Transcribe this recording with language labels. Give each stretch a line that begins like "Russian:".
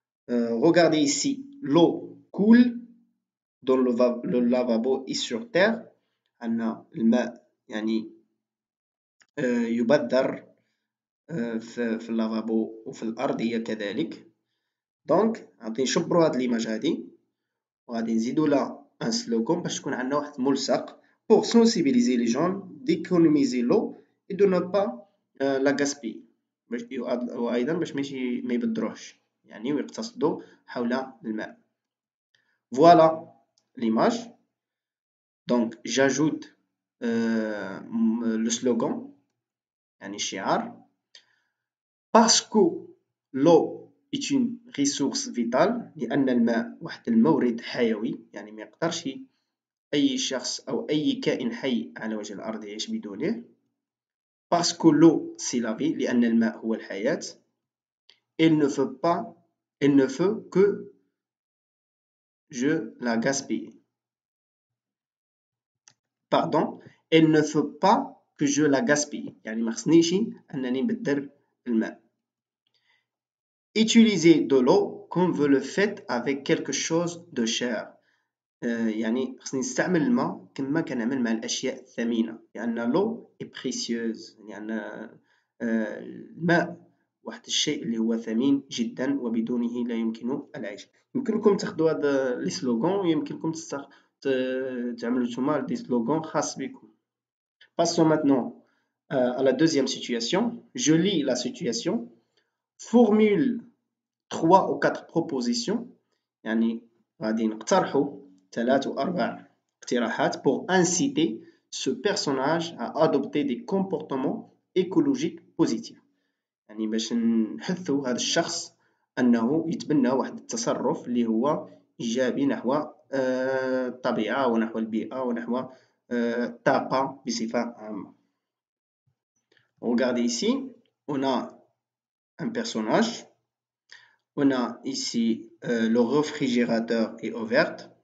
French: Regardez ici, l'eau coule dans le lavabo et sur terre.
Arabic: عندنا الماء يعني يبدر في اللافابو وفي الأرضية كذلك.
French: Donc,
Arabic: غادي نشبروا هاد ليماج هادي وغادي نزيدوا لها
French: un slogan
Arabic: باش تكون عندنا واحد ملصق
French: pour sensibiliser les gens d'économiser l'eau et de ne pas la gaspiller.
Arabic: وايضا باش ماشي ما يبدروش يعني ويقتصدوا حول الماء.
French: Voilà l'image. Donc j'ajoute le slogan
Arabic: يعني الشعار.
French: Parce que l'eau est une ressource vitale,
Arabic: لأن الماء واحد المورد حيوي يعني ما يقدرش أي شخص أو أي كائن حي على وجه الأرض يعيش بدونه.
French: Parce que l'eau c'est la vie,
Arabic: لأن الماء هو الحياة.
French: Il ne faut que je la gaspille. Pardon, il ne faut pas que je la gaspille.
Arabic: يعني ما خصنيش أنني نبدر الماء.
French: Utiliser de l'eau comme vous le faites avec quelque chose de cher.
Arabic: يعني خصني نستعمل الماء كما كنعمل مع الاشياء الثمينه لان لو اي بريسيوز لان الماء واحد الشيء اللي هو ثمين جدا وبدونه لا يمكن العيش. يمكنكم تاخذوا هذا لي سلوغون ويمكنكم تعملوا نتوما دي سلوغون خاص بكم.
French: Passons maintenant à la deuxième situation. Je lis la situation. Formule 3 ou 4 propositions.
Arabic: يعني غادي نقترحوا
French: 3 ou 4
Arabic: اقتراحات
French: pour inciter ce personnage à adopter des comportements écologiques positifs.
Arabic: يعني باش نحثوا هذا الشخص انه يتبنى واحد التصرف اللي هو ايجابي نحو الطبيعه ونحو البيئه ونحو الطاقه بصفه عامه.
French: Regardez ici, on a un personnage. On a ici le réfrigérateur est ouvert.